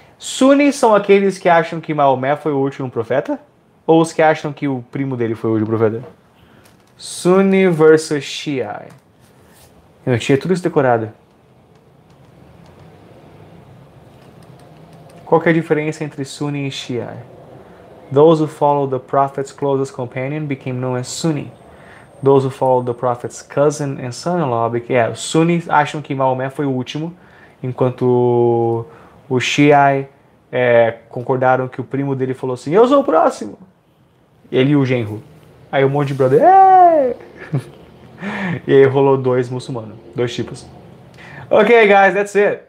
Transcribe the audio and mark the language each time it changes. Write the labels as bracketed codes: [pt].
[pt] Sunnis são aqueles que acham que Maomé foi o último profeta? Ou os que acham que o primo dele foi o último profeta? Sunni versus Shiai. Eu tinha tudo isso decorado. Qual que é a diferença entre Sunni e Shiai? [en] Those who followed the prophet's closest companion became known as Sunni. Those who followed the prophet's cousin and son-in-law became... [pt] Yeah, Sunni acham que Maomé foi o último, enquanto o Shiai concordaram que o primo dele falou assim, eu sou o próximo. Ele e o genro. Aí um monte de brother... E aí rolou dois muçulmanos, dois tipos. [en] Ok, guys, that's it.